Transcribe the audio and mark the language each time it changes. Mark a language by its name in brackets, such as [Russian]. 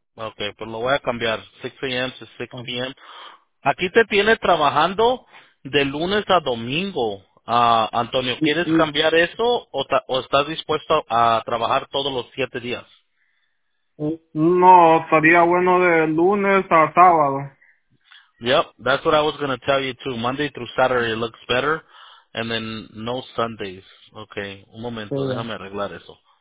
[Spanish] Okay, pues lo voy a cambiar. [English] 6 a.m. to 6 p.m. [Spanish] Aquí te tiene trabajando de lunes a domingo. Antonio, ¿quieres cambiar eso o estás dispuesto a trabajar todos los 7 días? No, estaría bueno de lunes a sábado. [English] Yep, that's what I was going to tell you too. Monday through Saturday looks better. And then no Sundays. [Spanish] Okay, un momento, déjame arreglar eso.